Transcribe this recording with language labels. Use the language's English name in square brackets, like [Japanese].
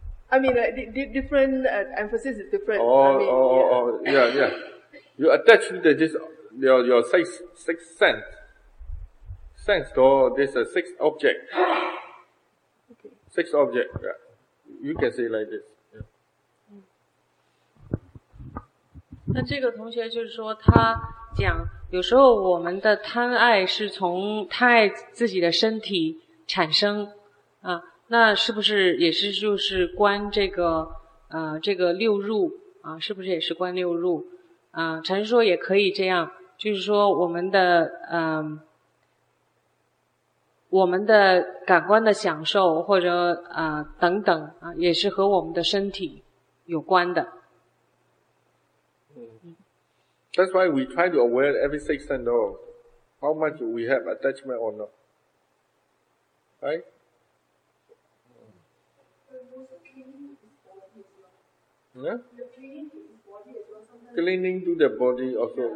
[English] I mean, different emphasis is different. Yeah. You attach to your sixth sense. Sense, though, this is a sixth object. Six object, yeah. You can say like this. Yeah. [Chinese] 那这个同学就是说，他讲有时候我们的贪爱是从贪爱自己的身体产生啊，那是不是也是就是观这个这个六入啊？是不是也是观六入啊？禅师说也可以这样，就是说我们的我们的感官的享受或者等等啊，也是和我们的身体有关的。 [English] That's why we try to aware every six sense door, how much we have attachment or not, right? Yeah. Cleaning to the body also.